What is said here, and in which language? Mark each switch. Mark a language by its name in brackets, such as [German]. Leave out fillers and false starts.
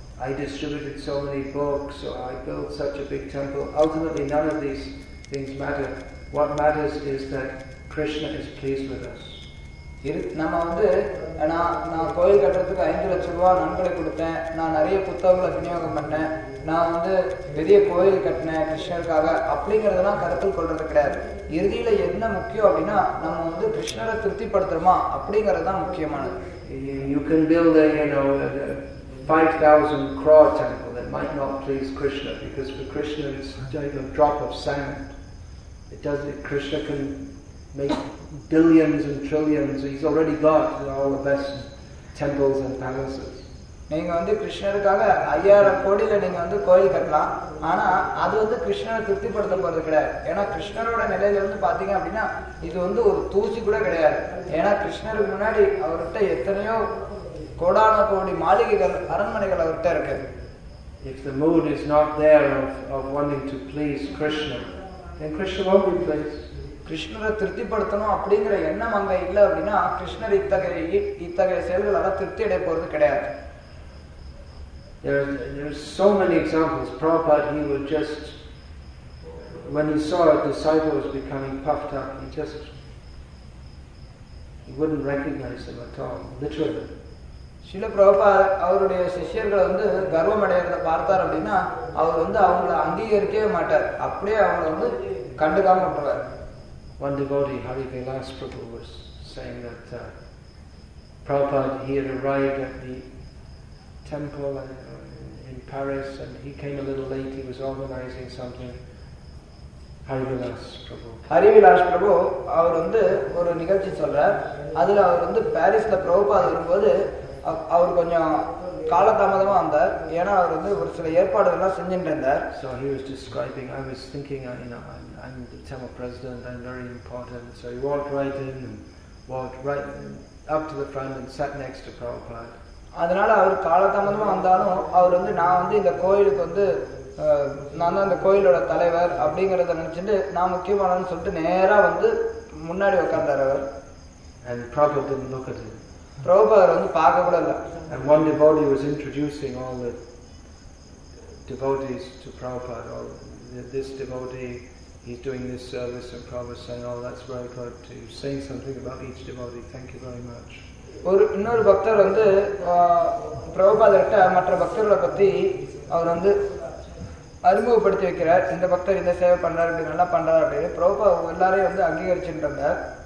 [English] I distributed so many books, or I built such a big temple. Ultimately, none of these things matter. What matters is that Krishna is pleased with us. [Tamil] நாம வந்து நான் கோயில் கட்டறதுக்கு 5 லட்சம் ரூபாய் நன்கொடை கொடுத்தேன், நான் நிறைய புத்தகங்களை விநியோகம் பண்ணேன், நான் வந்து பெரிய கோயில் கட்டினேன் கிருஷ்ணருக்காக அப்படிங்கிறதெல்லாம் கருத்தில் கொள்றது கிடையாது. இறுதியில் என்ன முக்கியம் அப்படின்னா நம்ம வந்து கிருஷ்ணரை திருப்திப்படுத்துறோமா அப்படிங்கிறது தான் முக்கியமானது. [English] 5,000 crore temple that might not please Krishna, because for Krishna it's like a drop of sand. It does it. Krishna can make billions and trillions. He's already got all the best temples and palaces. [Tamil] நீங்க வந்து கிருஷ்ணருக்காக 5,000 கோடியில நீங்க வந்து கோயில் கட்டலாம், ஆனா அது வந்து கிருஷ்ணரை திருப்திப்படுத்த போறது கிடையாது. ஏன்னா கிருஷ்ணரோட நிலையில இருந்து பாத்தீங்க அப்படின்னா இது வந்து ஒரு தூசி கூட கிடையாது. ஏன்னா கிருஷ்ணருக்கு முன்னாடி அவர்கிட்ட எத்தனையோ கோடான கோடி மாளிகைகள் அரண்மனைகள் அவர்கிட்ட இருக்கு. [English] If the mood is not there of wanting to please Krishna, then Krishna won't be pleased. [Tamil] கிருஷ்ணரை திருப்திப்படுத்தணும் அப்படிங்கிற எண்ணம் அங்கே இல்லை அப்படின்னா கிருஷ்ணர் இத்தகைய செயல்களால் திருப்தி அடைய போறது கிடையாது. [English] There's so many examples. Prabhupada, he would just, when he saw a disciple was becoming puffed up, he wouldn't recognize him at all, literally. [Tamil] சில பிரபா அவருடைய சிஷியர்களை வந்து கர்வம் அடைகிறத பார்த்தார் அப்படின்னா அவர் வந்து அவங்களை அங்கீகரிக்கவே மாட்டார், அப்படியே அவங்களை வந்து கண்டுக்காம விட்டுவார். [English] One devotee, Hari Vilas Prabhu, was saying that Prabhupada, he had arrived at the temple in Paris and he came a little late, he was organizing something. Hari Vilas Prabhu, [Tamil] அவர் வந்து ஒரு நிகழ்ச்சி சொல்றார், அதுல அவர் வந்து பாரிஸ்ல பிரபுபாத் இருக்கும்போது அவர் கொஞ்சம் காலதாமதமா வந்தார், ஏன்னா அவர் வந்து ஒரு சில ஏற்பாடுகள்லாம் செஞ்சுட்டு இருந்தார். [English] So he was describing, I was thinking, you know, I'm the temple president, I'm very important. So he walked right in and walked right up to the front and sat next to Prabhupada. [Tamil] அதனால அவர் காலதாமதமா வந்தாலும் அவர் வந்து நான் வந்து இந்த கோயிலுக்கு வந்து நான் தான் இந்த கோயிலோட தலைவர் அப்படிங்கறத நினைச்சிட்டு நான் முக்கியமானு சொல்லிட்டு நேரா வந்து முன்னாடி உட்கார்ந்தார் அவர். [English] And Prabhupada didn't look at him. [Tamil] பிரபுபாதர் வந்து பார்க்க கூட இல்லை. [English] And one devotee was introducing all the devotees to Prabhupada. Oh, this devotee, he's doing this service, and Prabhupada saying, oh, that's very good. He's saying something about each devotee. Thank you very much. [Tamil] ஒரு இன்னொரு பக்தர் வந்து பிரபுபாதர்கிட்ட மற்ற பக்தர்களை பத்தி அவர் வந்து அறிமுகப்படுத்தி வைக்கிறார், இந்த பக்தர் இந்த சேவை பண்றாரு, இது நல்லா பண்றாரு அப்படின்னு பிரபுபாத எல்லாரையும் வந்து அங்கீகரிச்சுட்டு இருந்தார்.